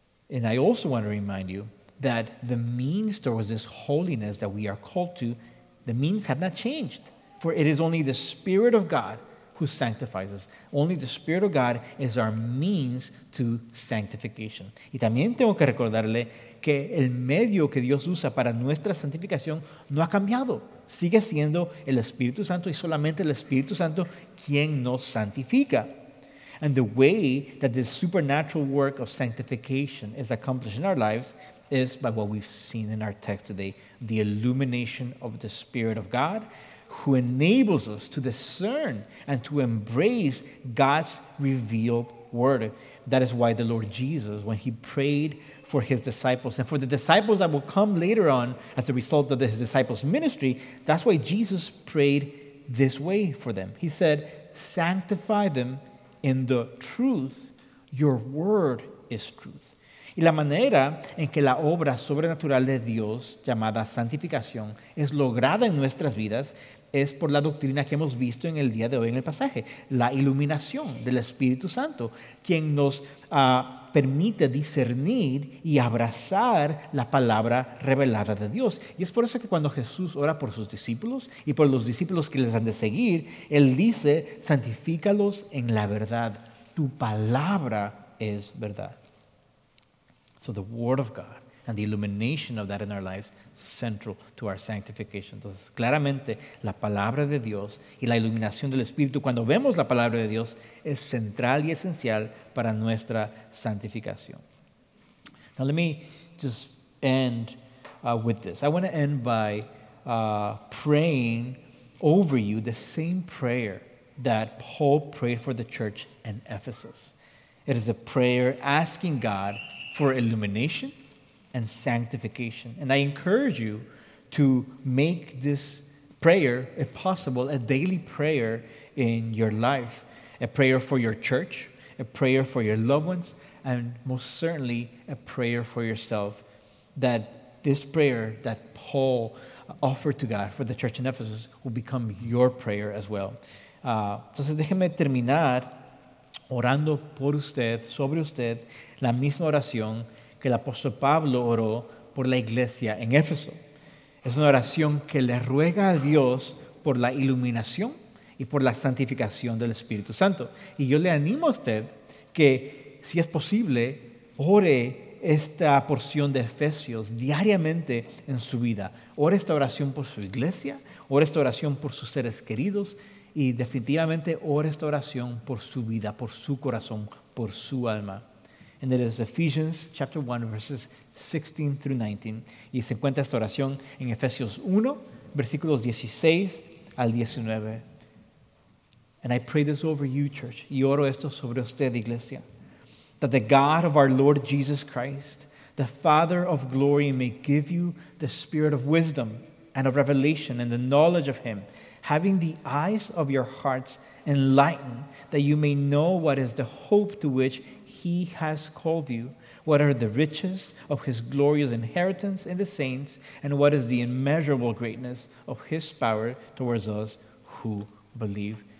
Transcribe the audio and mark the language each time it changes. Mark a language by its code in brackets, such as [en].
[en] And I also want to remind you that the means towards this holiness that we are called to, the means have not changed. For it is only the Spirit of God who sanctifies us. Only the Spirit of God is our means to sanctification. [es] Y también tengo que recordarle que el medio que Dios usa para nuestra santificación no ha cambiado. Sigue siendo el Espíritu Santo y solamente el Espíritu Santo quien nos santifica. [en] And the way that this supernatural work of sanctification is accomplished in our lives is by what we've seen in our text today, the illumination of the Spirit of God, who enables us to discern and to embrace God's revealed word. That is why the Lord Jesus, when he prayed for his disciples and for the disciples that will come later on as a result of his disciples' ministry, that's why Jesus prayed this way for them. He said, sanctify them in the truth, your word is truth. [es] Y la manera en que la obra sobrenatural de Dios llamada santificación es lograda en nuestras vidas es por la doctrina que hemos visto en el día de hoy en el pasaje, la iluminación del Espíritu Santo, quien nos permite discernir y abrazar la palabra revelada de Dios. Y es por eso que cuando Jesús ora por sus discípulos y por los discípulos que les han de seguir, Él dice, santifícalos en la verdad. Tu palabra es verdad. [en] So the word of God and the illumination of that in our lives, central to our sanctification. [es] Entonces, claramente, la palabra de Dios y la iluminación del Espíritu, cuando vemos la palabra de Dios, es central y esencial para nuestra santificación. [en] Now, let me just end with this. I want to end by praying over you the same prayer that Paul prayed for the church in Ephesus. It is a prayer asking God for illumination and sanctification. And I encourage you to make this prayer, if possible, a daily prayer in your life, a prayer for your church, a prayer for your loved ones, and most certainly a prayer for yourself, that this prayer that Paul offered to God for the church in Ephesus will become your prayer as well. [es] Entonces déjeme terminar orando por usted, sobre usted, la misma oración que el apóstol Pablo oró por la iglesia en Éfeso. Es una oración que le ruega a Dios por la iluminación y por la santificación del Espíritu Santo. Y yo le animo a usted que, si es posible, ore esta porción de Efesios diariamente en su vida. Ore esta oración por su iglesia, ore esta oración por sus seres queridos y definitivamente ore esta oración por su vida, por su corazón, por su alma. [en] And it is Ephesians chapter 1, verses 16 through 19. [es] Y se encuentra esta oración en Efesios 1, versículos 16 al 19. [en] And I pray this over you, church. [es] Y oro esto sobre usted, iglesia. [en] That the God of our Lord Jesus Christ, the Father of glory, may give you the spirit of wisdom and of revelation and the knowledge of him, having the eyes of your hearts enlightened, that you may know what is the hope to which he has called you, what are the riches of his glorious inheritance in the saints, and what is the immeasurable greatness of his power towards us who believe.